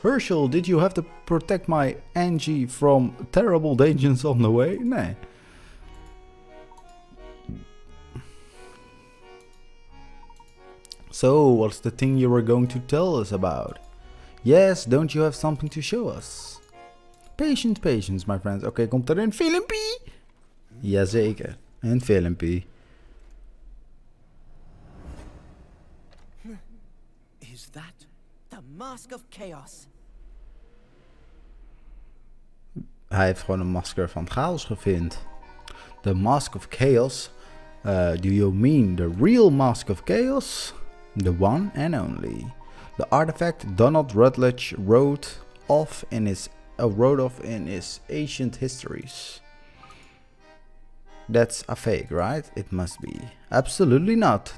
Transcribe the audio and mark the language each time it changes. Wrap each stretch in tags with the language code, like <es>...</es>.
<en>Herschel, did you have to protect my Angie from terrible dangers on the way?</en> <nl>Nee.</nl> <en>So, what's the thing you were going to tell us about? Yes, don't you have something to show us? Patience, patience, my friends.</en> <nl>Okay, komt er een filmpie? Jazeker, een filmpie.</nl> <en>Is that... Mask of Chaos.</en> <nl>Hij heeft gewoon een masker van chaos gevind.</nl> <en>The Mask of Chaos. Do you mean the real Mask of Chaos? The one and only. The artifact Donald Rutledge wrote off in his ancient histories. That's a fake, right? It must be. Absolutely not.</en>